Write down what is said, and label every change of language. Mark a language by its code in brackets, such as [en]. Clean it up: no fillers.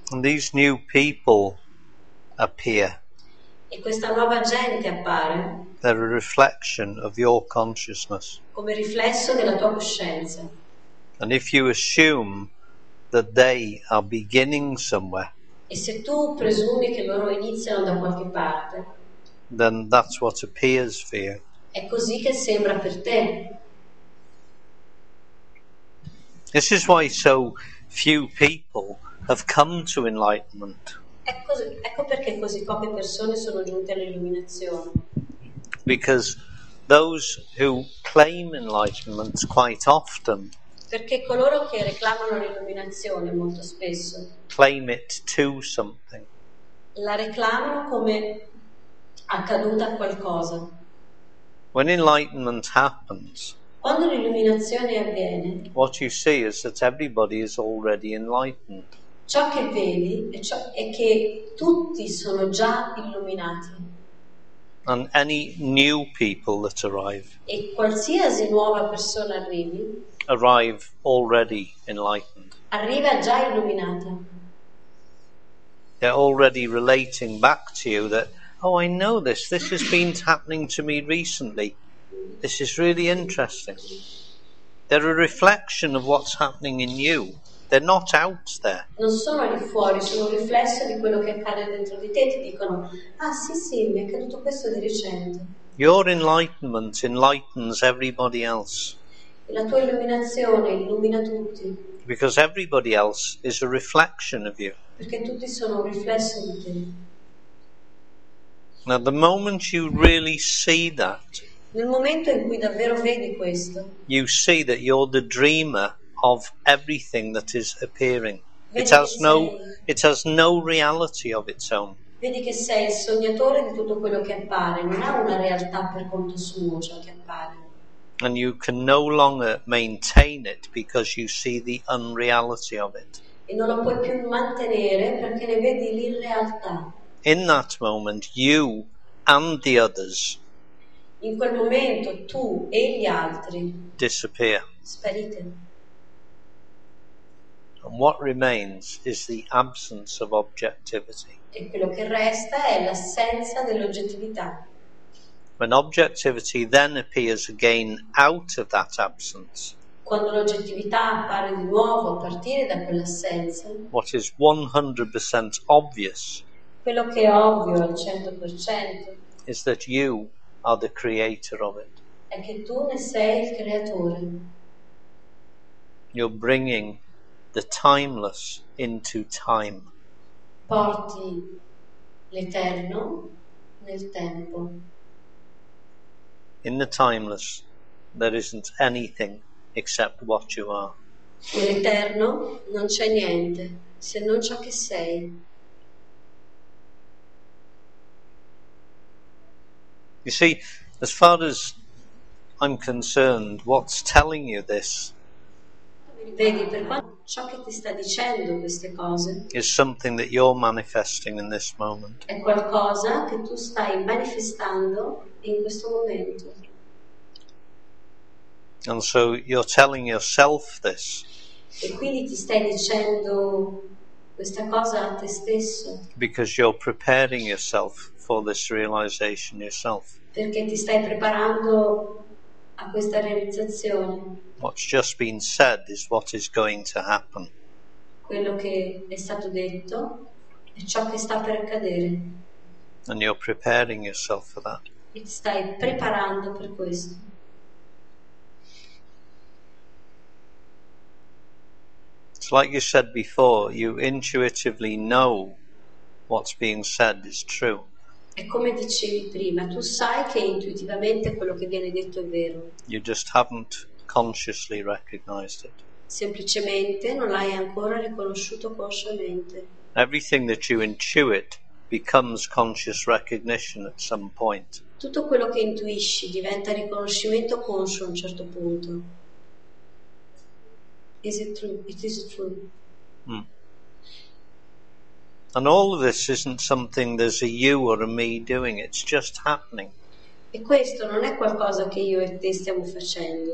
[en] And these new people appear. [it] E questa nuova gente appare. [en] They're a reflection of your consciousness. [it] Come riflesso della tua coscienza. [en] And if you assume that they are beginning somewhere. [it] E se tu presumi che loro iniziano da qualche parte. [en] Then that's what appears for you. [it] È così che sembra per te. [en] This is why so few people have come to enlightenment. [it] Ecco perché così poche persone sono giunte all'illuminazione. [en] Because those who claim enlightenment quite often. [it] Perché coloro che reclamano l'illuminazione molto spesso. [en] Claim it to something. [it] La reclamano come accaduta a qualcosa. [en] When enlightenment happens, [it] quando l'illuminazione avviene, [en] what you see is that everybody is already enlightened. [it] Ciò che vedi è che tutti sono già illuminati. [en] And any new people that arrive, [it] e qualsiasi nuova persona arrivi, [en] arrive already enlightened. [it] Arriva già illuminata. [en] They're already relating back to you that, oh, I know this. This has been happening to me recently. This is really interesting. They're a reflection of what's happening in you. They're not out there. [it] Non sono lì fuori, sono un riflesso di quello che accade dentro di te. Ti dicono, ah sì, mi è accaduto questo di recente. [en] Your enlightenment enlightens everybody else. [it] La tua illuminazione illumina tutti. [en] Because everybody else is a reflection of you. [it] Perché tutti sono un riflesso di te. [en] Now the moment you really see that, [it] nel momento in cui davvero vedi questo, [en] you see that you're the dreamer of everything that is appearing. It has no reality of its own. [it] Vedi che sei il sognatore di tutto quello che appare, non ha una realtà per conto suo ciò che appare. [en] And you can no longer maintain it because you see the unreality of it. [it] E non lo puoi più mantenere perché ne vedi l'irrealtà. [en] In that moment, you and the others, [it] in quel momento tu e gli altri, [en] disappear. [it] Sparite. [en] And what remains is the absence of objectivity. [it] E quello che resta è l'assenza dell'oggettività. [en] When objectivity then appears again out of that absence, [it] quando l'oggettività appare di nuovo a partire da quell'assenza, [en] what is 100% obvious, [it] quello che è ovvio al 100%, [en] is that you are the creator of it. [it] È che tu ne sei il creatore. [en] You're bringing the timeless into time. [it] Porti l'eterno nel tempo. [en] In the timeless, there isn't anything except what you are. [it] Nell'eterno non c'è niente se non ciò che sei. [en] You see, as far as I'm concerned, what's telling you this? [it] Vedi, per quanto ciò che ti sta dicendo queste cose [en] is something that you're manifesting in this moment. [it] È qualcosa che tu stai manifestando in questo momento. [en] And so you're telling yourself this. [it] E quindi ti stai dicendo questa cosa a te stesso. [en] Because you're preparing yourself for this realization yourself. [it] Perché ti stai preparando a questa realizzazione. [en] What's just been said is what is going to happen. [it] Quello che è stato detto è ciò che sta per accadere. [en] And you're preparing yourself for that. [it] E ti stai preparando per questo. [en] It's like you said before, you intuitively know what's being said is true. [it] È come dicevi prima, tu sai che intuitivamente quello che viene detto è vero. [en] You just haven't consciously recognized it. [it] Semplicemente non l'hai ancora riconosciuto consciamente. [en] Everything that you intuit becomes conscious recognition at some point. [it] Tutto quello che intuisci diventa riconoscimento conscio a un certo punto. [en] Is it true? It is true. And all of this isn't something there's a you or a me doing. It's just happening. [it] E questo non è qualcosa che io e te stiamo facendo.